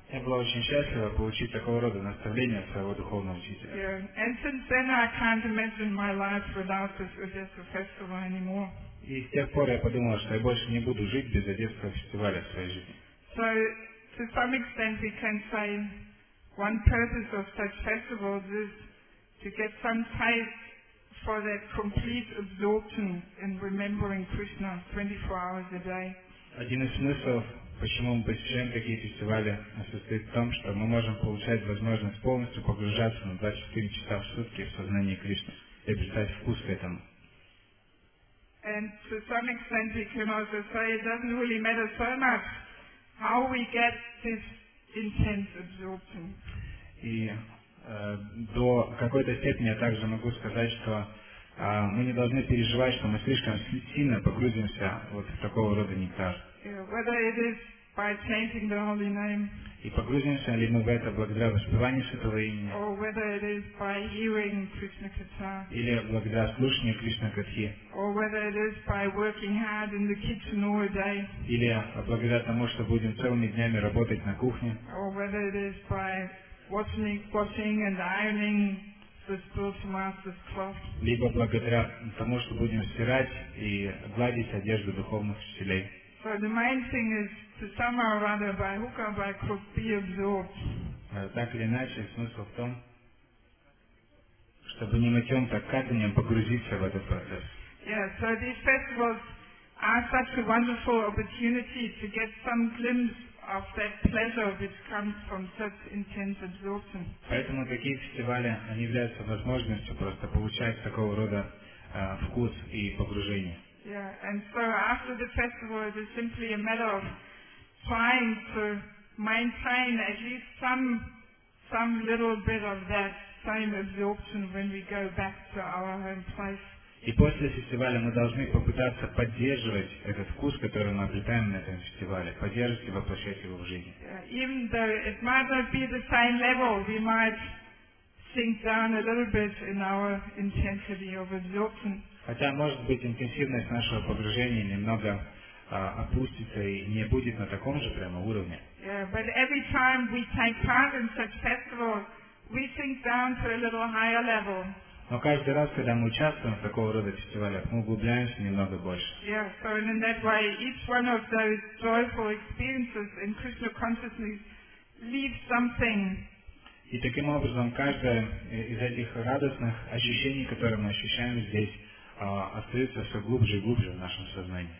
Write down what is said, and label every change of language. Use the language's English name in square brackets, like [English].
[Russian] Я была очень счастлива получить такого рода наставление от своего духовного учителя. [English] Yeah, and since then I can't imagine my life without this Odessa festival anymore. [Russian] И с тех пор я подумал, что я больше не буду жить без Одесского фестиваля в своей жизни. [English] So, to some extent we can say one purpose of such festivals is to get some time for that complete absorption in remembering Krishna 24 hours a day. [Russian] Один из смыслов, почему мы посещаем такие фестивали, состоит в том, что мы можем получать возможность полностью погружаться на 24 часа в сутки в сознание Кришны и обретать вкус к этому. [English] And to some extent we can also say it doesn't really matter so much how we get this intense absorption. [Russian] И до какой-то степени я также могу сказать, что мы не должны переживать, что мы слишком сильно погрузимся вот в такого рода нектар. [English] Yeah, whether it is by chanting the holy name. [Russian] И погрузимся ли мы в это благодаря воспеванию святого имени. [English] Or whether it is by hearing Krishna Katha. [Russian] Или благодаря слушанию Кришна Катхи. [English] Or whether it is by working hard in the kitchen all day. [Russian] Или благодаря тому, что будем целыми днями работать на кухне. [English] Or whether it is by washing and ironing the spiritual master's cloth. [Russian] Либо благодаря тому, что будем стирать и гладить одежду духовных учителей. [English] So the main thing is to somehow or other by hook or by crook be absorbed. [Russian] Так или иначе, смысл в том, чтобы не мытьем, так катанием погрузиться в этот процесс. [English] Yeah, so these festivals are such a wonderful opportunity to get some glimpse of that pleasure which comes from such intense absorption. [Russian] Поэтому такие фестивали, они являются возможностью просто получать такого рода вкус и погружение. [English] Yeah, and so after the festival it is simply a matter of trying to maintain at least some little bit of that same absorption when we go back to our home place. [Russian] И после фестиваля мы должны попытаться поддерживать этот вкус, который мы обретаем на этом фестивале, поддерживать и воплощать его в жизни. [English] Even though it might not be the same level, we might sink down a little bit in our intensity of absorption. [Russian] Хотя, может быть, интенсивность нашего погружения немного опустится и не будет на таком же прямо уровне. [English] Yeah, but every time we take part in such festival, we sink down to a little higher level. [Russian] Но каждый раз, когда мы участвуем в такого рода фестивалях, мы углубляемся немного больше. [English] Yeah, so in that way, each one of those joyful experiences in Krishna consciousness leaves something. [Russian] И таким образом, каждое из этих радостных ощущений, которые мы ощущаем здесь, остается все глубже и глубже в нашем сознании.